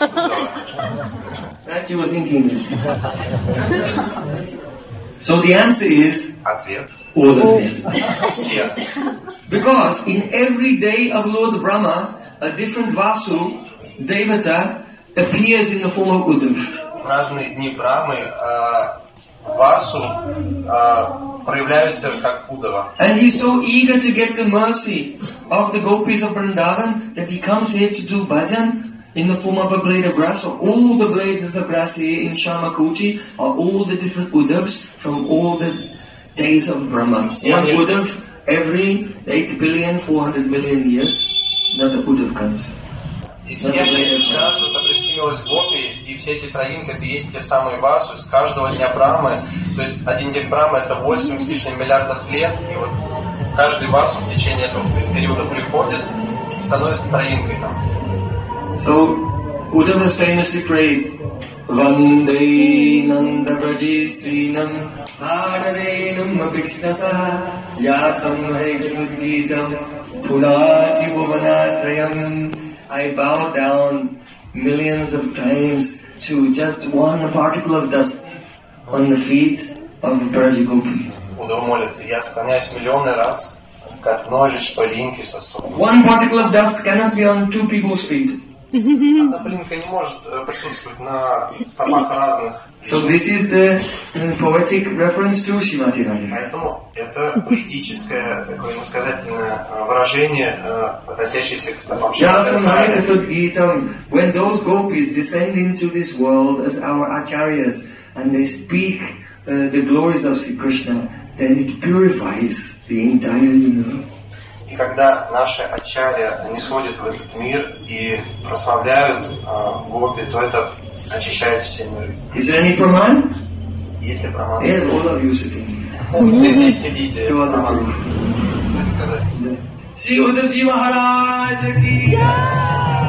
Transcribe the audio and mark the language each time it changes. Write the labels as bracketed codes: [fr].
[en] Udo? That you were thinking. So the answer is [ru] ответ. [en] All of them. Because in every day of Lord Brahma, a different Vasu, Devata, appears in the form of Udhav. [ru] В разные дни Брамы Васу проявляется как Удава. [en] And he's so eager to get the mercy of the gopis of Vrindavan that he comes here to do bhajan in the form of a blade of grass. So all the blades of grass here in Shamakuti are all the different Udhavs from all the days of Brahma. One Udhav every 8,400,000,000 years, another Udhav comes. [ru] И все эти травинки есть те самые Васу из каждого дня Брамы. То есть один день Брамы это 8 с лишним миллиардов лет. И вот каждый Васу в течение этого периода приходит, становится травинкой там. [en] So Udhava famously prayed [sa] Vande Nanda Vajistrinam Haradenam Apikshasaha Yasam Haigatudgitam Pulati Bhuvanatrayam. [en] I bow down millions of times to just one particle of dust on the feet of the Brajagopi. [ru] Удав молится, я склоняюсь миллионы раз к одной лишь пылинке со стопы. [en] One particle of dust cannot be on two people's feet. [ru] Одна пылинка не может присутствовать на стопах разных. [en] So this is the poetic reference to Shrimati Radhika. [ru] Поэтому это поэтическое, такое иносказательное выражение, относящееся к стопам Шримати Радхика. [en] When those gopis descend into this world as our acharyas and they speak the glories of Sri Krishna, then it purifies the entire universe. [ru] И когда наши ачарья нисходят в этот мир и прославляют гопи, то это очищает все миры. [en] Is there any Brahman? [ru] Есть ли Brahman? [en] Yes, all of you sitting. [ru] Все здесь сидите. Доказательство. [hi] Си Удав Джи Махарадж ки.